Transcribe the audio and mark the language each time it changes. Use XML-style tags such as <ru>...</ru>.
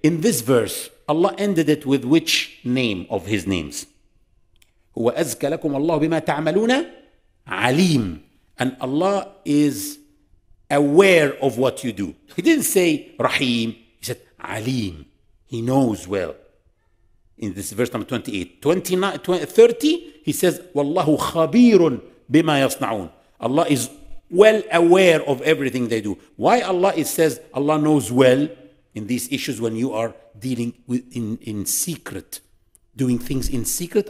<en>In this verse, Allah ended it with which name of His names?</en> <ar>هو أزكى لكم الله بما تعملون عليم.</ar> <en>And Allah is aware of what you do. He didn't say Rahim, He said عليم. He knows well. In this verse number 28, 29, 20, 30, he says,</en> <ar>"Wallahu khabirun bima yasnaun."</ar> <en>Allah is well aware of everything they do. Why Allah says Allah knows well in these issues when you are dealing with in secret, doing things in secret?</en>